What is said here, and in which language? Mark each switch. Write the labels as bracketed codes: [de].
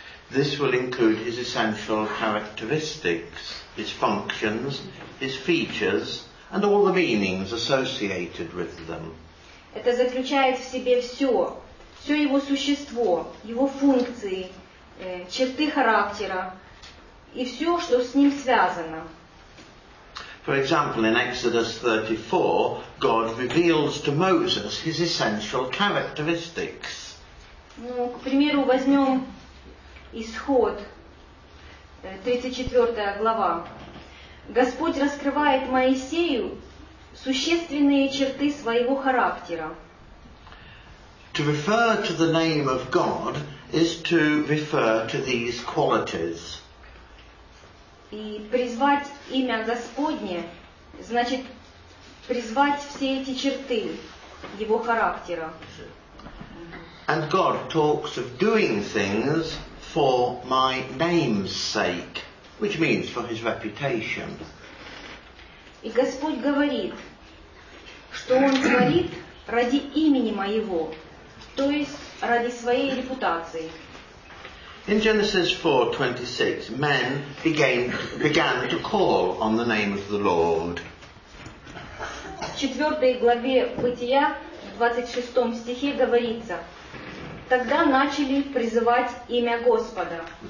[en] This will include his essential characteristics, his functions, his features, and all the meanings associated with them. [ru] Это заключает в себе все, все его существо, его функции, черты характера и все, что с ним связано. [en] For example, in Exodus 34, God reveals to Moses his essential characteristics. [ru] Ну, к примеру, возьмем Исход, 34 глава. Господь раскрывает Моисею существенные черты своего характера. [en] To refer to the name of God is to refer to these qualities. [ru] И призвать имя Господне значит призвать все эти черты его характера. [en] And God talks of doing things for my name's sake, which means for his reputation. [ru] И Господь говорит, что он творит ради имени моего. То есть ради своей репутации. [en] In Genesis 4:26, men began to call on the name of the Lord. [ru] В 4 главе Бытия, в 26 стихе говорится: тогда начали призывать имя Господа.